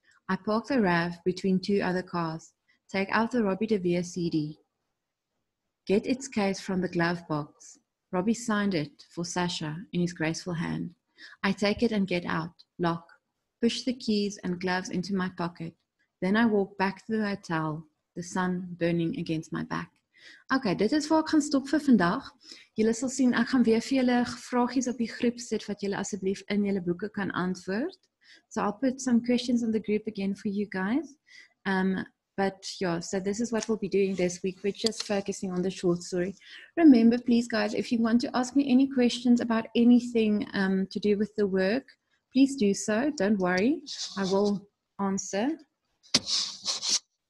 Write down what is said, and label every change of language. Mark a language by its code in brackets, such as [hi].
[en] I park the RAV between 2 other cars, take out the Robbie de Beer CD, get its case from the glove box. Robbie signed it for Sasha in his graceful hand. I take it and get out, lock, push the keys and gloves into my pocket. Then I walk back to the hotel, the sun burning against my back. [af] Okay, dit is waar ek gaan stop vir vandag. Julle sal sien, ek gaan weer vir julle vraagies op die groep sit wat julle asseblief in julle boeke kan antwoord. [en] So I'll put some questions on the group again for you guys. But yeah, so this is what we'll be doing this week. We're just focusing on the short story. Remember, please, guys, if you want to ask me any questions about anything to do with the work, please do so. Don't worry. I will answer.